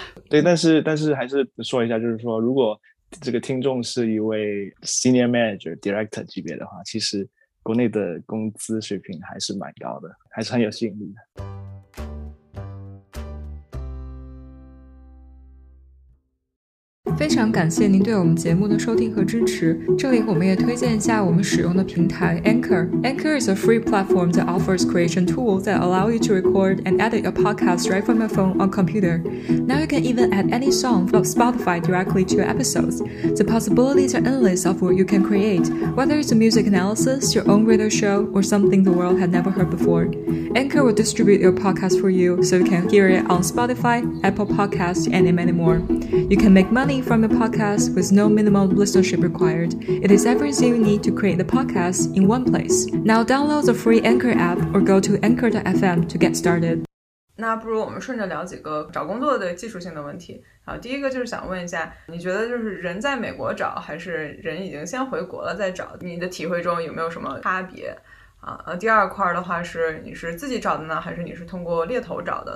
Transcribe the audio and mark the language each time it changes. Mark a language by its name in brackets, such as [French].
[Chinese] 对，但是还是说一下，就是说如果这个听众是一位 [English] senior manager director [Chinese] 级别的话，其实国内的工资水平还是蛮高的，还是很有吸引力的。非常感谢您对我们节目的收听和支持。这里我们也推荐一下我们使用的平台 Anchor。 [English] Anchor is a free platform that offers creation tools that allow you to record and edit your podcast right from your phone or computer. Now you can even add any song from Spotify directly to your episodes. The possibilities are endless of what you can create, whether it's a music analysis, your own radio show, or something the world had never heard before. Anchor will distribute your podcast for you so you can hear it on Spotify, Apple Podcasts, and many more. You can make money from a podcast with no minimum listenership required. It is everything you need to create the podcast in one place. Now download the free Anchor app or go to anchor.fm to get started. [Chinese] 那不如我们顺着聊几个找工作的技术性的问题。好，第一个就是想问一下，你觉得就是人在美国找还是人已经先回国了再找，你的体会中有没有什么差别？第二块的话是你是自己找的呢，还是你是通过猎头找的？